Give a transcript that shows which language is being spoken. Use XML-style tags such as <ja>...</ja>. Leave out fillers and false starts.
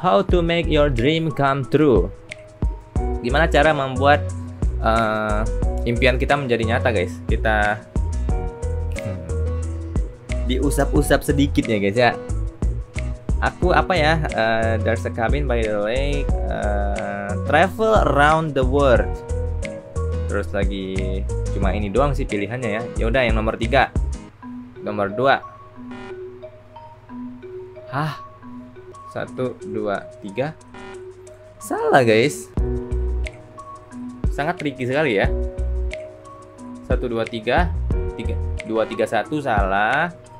<en>How to make your dream come true.</en> <id>Gimana cara membuat impian kita menjadi nyata guys. Kita diusap-usap sedikit ya guys ya. Aku apa ya,</id> <en>there's a cabin by the lake. Travel around the world.</en> <id>Terus lagi cuma ini doang sih pilihannya ya. Ya udah yang nomor 3. Nomor 2. Hah. 1 2 3. Salah guys. Sangat tricky sekali ya. 1 2 3 3 2 3 1 salah.</id>